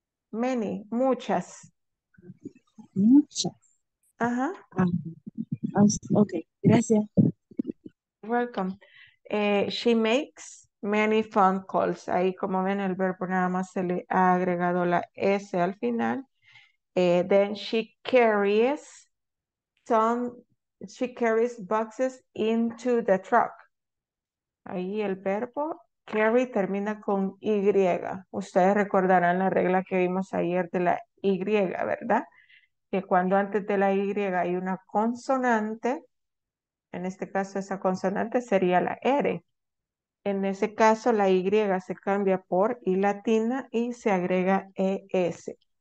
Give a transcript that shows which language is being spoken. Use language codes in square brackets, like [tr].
[en] Many, muchas. [es] Muchas. Ajá. Ok, gracias. [en] Welcome. She makes many phone calls. [es] Ahí como ven el verbo nada más se le ha agregado la S al final. [en] Then she carries she carries boxes into the truck. [es] Ahí el verbo carry termina con Y. Ustedes recordarán la regla que vimos ayer de la Y, ¿verdad? Que cuando antes de la Y hay una consonante, en este caso esa consonante sería la R. En ese caso la Y se cambia por I latina y se agrega ES.